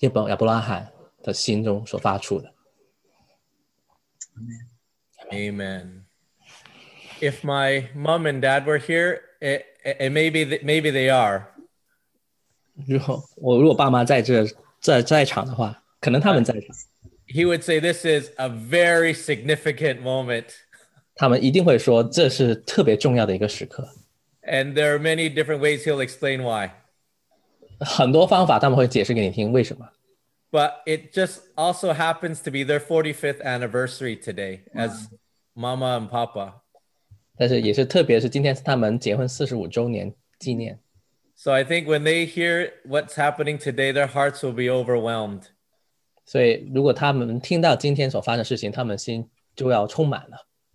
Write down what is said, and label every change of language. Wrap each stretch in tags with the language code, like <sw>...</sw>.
<zh>也是从亚伯拉罕的心中所发出的。</zh> <en>Amen. Amen. If my mom and dad were here, maybe they are.</en> <zh>如果爸妈在这在场的话，可能他们在场。</zh> <en>He would say this is a very significant moment.</en> <zh>他们一定会说这是特别重要的一个时刻。</zh> <en>And there are many different ways he'll explain why.</en> <zh>很多方法他们会解释给你听为什么。</zh> <en>But it just also happens to be their 45th anniversary today as Mama and Papa.</en> <zh>但是也是特别是今天是他们结婚45周年纪念。</zh> <en>So I think when they hear what's happening today, their hearts will be overwhelmed.</en> <zh>所以如果他们听到今天所发生的事情，他们心就要充满了。</zh>